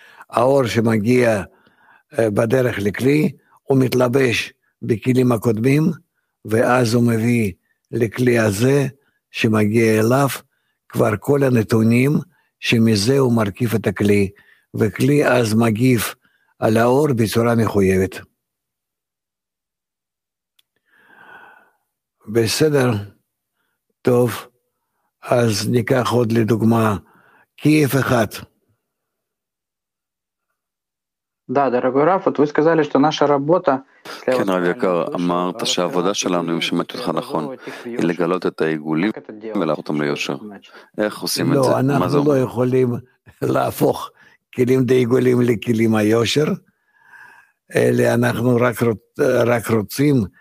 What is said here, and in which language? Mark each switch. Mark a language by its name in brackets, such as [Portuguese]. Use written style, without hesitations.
[Hebrew] האור שמגיע בדרך לכלי, הוא מתלבש בכלים הקודמים, ואז הוא מביא לכלי הזה שמגיע אליו כבר כל הנתונים שמזה הוא מרכיב את הכלי, וכלי אז מגיב על האור בצורה מחויבת. בסדר, טוב, אז ניקח עוד לדוגמה, כיף אחד. [Russian] Да, дорогой Раф, вот вы сказали, что наша работа... [Hebrew] כן, רב יקר, אמרת שהעבודה שלנו, אם שמעתי אותך נכון, היא לגלות את העיגולים ולהפוך אותם ליושר. איך עושים את זה? לא, אנחנו לא יכולים להפוך כלים דעיגולים לכלים היושר, אלא אנחנו רק רוצים...